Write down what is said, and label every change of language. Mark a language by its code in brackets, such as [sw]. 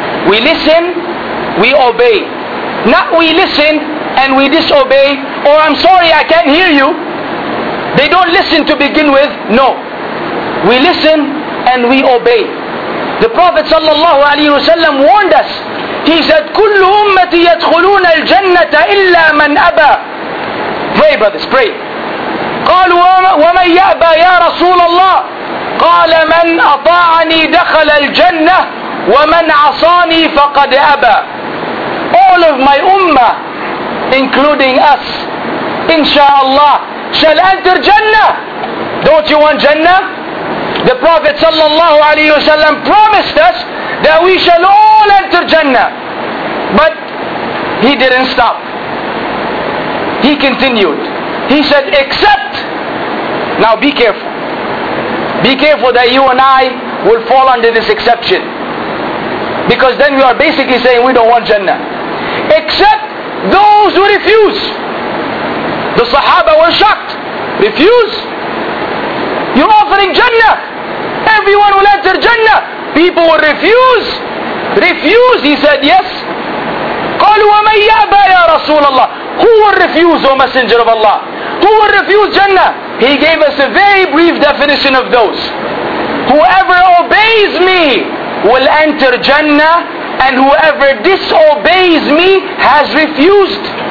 [en] We listen, we obey. Not we listen and we disobey, or I'm sorry, I can't hear you. They don't listen to begin with. No. We listen and we obey. The Prophet sallallahu alaihi wasallam warned us. He said, [ar] كل أمتي يدخلون الجنة إلا من أبى. [en] Pray brothers, pray. [ar] قال ومن يأبى يا رسول الله. قال من أطاعني دخل الجنة ومن عصاني فقد أبى. [en] All of my ummah, including us, inshallah, shall enter Jannah. Don't you want Jannah? The Prophet sallallahu alayhi wasallam promised us that we shall all enter Jannah. But he didn't stop. He continued. He said, except, now be careful. Be careful that you and I will fall under this exception. Because then we are basically saying we don't want Jannah. Except those who refuse. The Sahaba were shocked. Refuse? You're offering Jannah. Everyone will enter Jannah. People will refuse. Refuse, he said, yes. [ar] قالوا ومن يأبى يا رسول الله. [en] Who will refuse, O Messenger of Allah? Who will refuse Jannah? He gave us a very brief definition of those. Whoever obeys me will enter Jannah, and whoever disobeys me has refused.